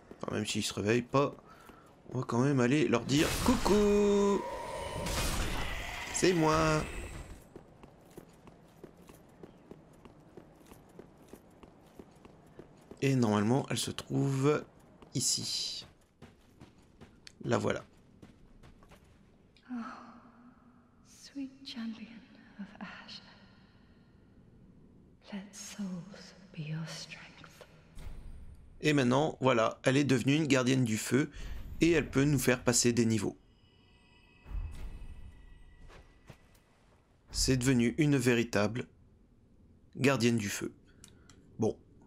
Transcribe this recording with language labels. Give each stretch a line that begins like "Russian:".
French: Enfin, même s'ils se réveillent pas, on va quand même aller leur dire coucou. C'est moi. Et normalement, elle se trouve ici. La voilà.
English: Oh, sweet champion of Ash. Let souls be your strength.
French: Et maintenant, voilà, elle est devenue une gardienne du feu et elle peut nous faire passer des niveaux. C'est devenu une véritable gardienne du feu. Bon.